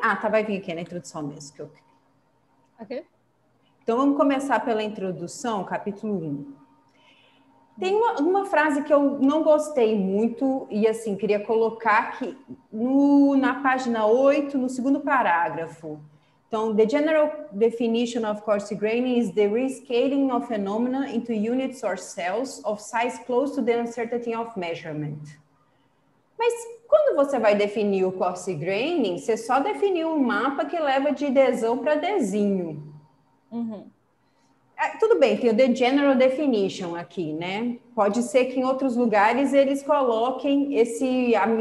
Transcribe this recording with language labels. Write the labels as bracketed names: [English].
[Portuguese] Vai vir aqui na introdução mesmo. Que eu... Ok. Então, vamos começar pela introdução, capítulo 1. Tem uma frase que eu não gostei muito e, assim, queria colocar aqui na página 8, no segundo parágrafo. Então, [English] the general definition of coarse graining is the rescaling of phenomena into units or cells of size close to the uncertainty of measurement. [Portuguese] Mas quando você vai definir o coarse graining, você só definiu um mapa que leva de desão para desinho. Uhum. Tudo bem, tem o [English] the general definition [Portuguese] aqui, né? Pode ser que em outros lugares eles coloquem esse...